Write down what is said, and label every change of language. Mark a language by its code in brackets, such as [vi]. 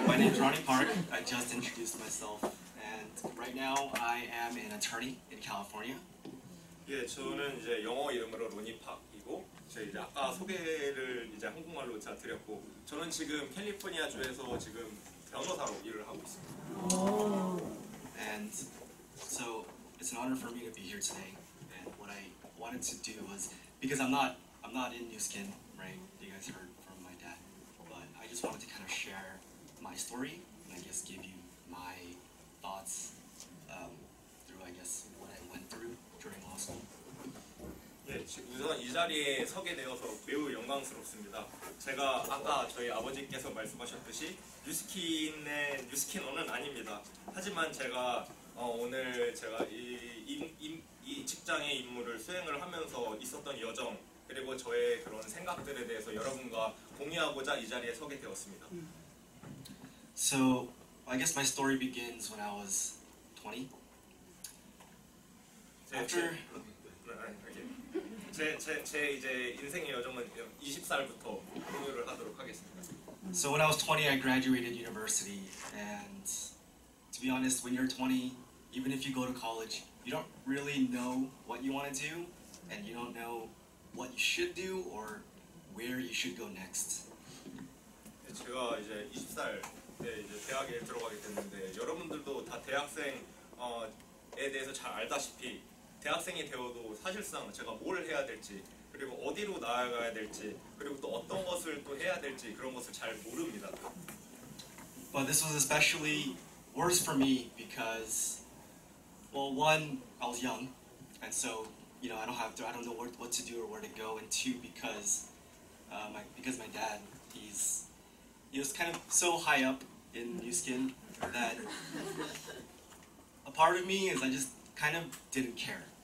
[en] My name is Ronnie Park. I just introduced myself, and right now I am an attorney in California. [ko] 예, 저는 이제 영어 이름으로 로니 팍이고. 제 이제 아까 소개를 이제 한국말로 제가 드렸고 저는 지금 캘리포니아 주에서 지금 변호사로 일을 하고 있습니다. Oh. [en] And so it's an honor for me to be here today. And what I wanted to do was because I'm not in New Skin, right? You guys heard from my dad, but I just wanted to kind of share my story and I guess give you my thoughts through I guess what I went through during law school. [ko] 네, 우선 이 자리에 서게 되어서 매우 영광스럽습니다. 제가 아까 저희 아버지께서 말씀하셨듯이 뉴스킨의 뉴스킨어는 아닙니다. 하지만 제가 오늘 제가 이 직장의 임무를 수행을 하면서 있었던 여정 그리고 저의 그런 생각들에 대해서 여러분과 공유하고자 이 자리에 서게 되었습니다. [en] So, I guess my story begins when I was 20. After [ko] 제 이제 인생의 여정은 20살부터 공유를 하도록 하겠습니다. [en] So when I was 20, I graduated university. And to be honest, when you're 20, even if you go to college, you don't really know what you want to do, and you don't know what you should do or where you should go next. [ko] 제가 이제 20살 때 이제 대학에 들어가게 됐는데 여러분들도 다 대학생에 대해서 잘 알다시피. 대학생이 되어도 사실상 제가 뭘 해야 될지 그리고 어디로 나아가야 될지 그리고 또 어떤 것을 또 해야 될지 그런 것을 잘 모릅니다. [en] But this was especially worse for me because, well, one, I was young, and so you know I don't know what to do or where to go, and two, because my dad, he was kind of so high up in New Skin that a part of me is I just kind of didn't care.